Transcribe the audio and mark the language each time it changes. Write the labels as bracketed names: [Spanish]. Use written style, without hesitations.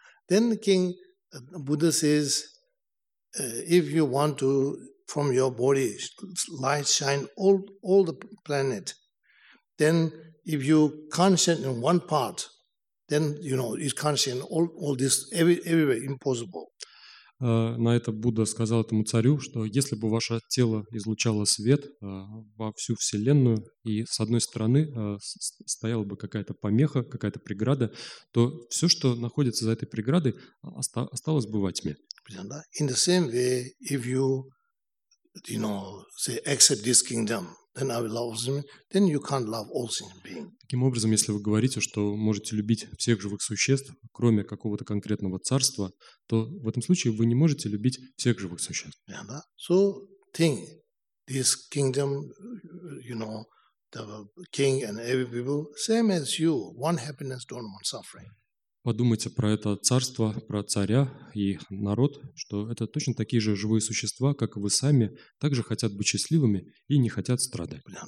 [English] Then king Buddha says, if you want to from your body light shine all the planet, then if you can't shine in one part, then you know it can't shine all this everywhere, impossible. [Russian] На это Будда сказал этому царю, что если бы ваше тело излучало свет во всю вселенную и с одной стороны стояла бы какая-то помеха, какая-то преграда, то все, что находится за этой преградой, осталось бы во тьме. [English] In the same way, if you, you know, say accept this kingdom, then I will love them. Then you can't love all sentient beings. [Russian] Таким образом, если вы говорите, что можете любить всех живых существ, кроме какого-то конкретного царства, то в этом случае вы не можете любить всех живых существ. Yeah, да? [English] So think this kingdom, you know, the king and every people same as you, one happiness, don't want suffering. [Russian] Подумайте про это царство, про царя и народ, что это точно такие же живые существа, как и вы сами, также хотят быть счастливыми и не хотят страдать.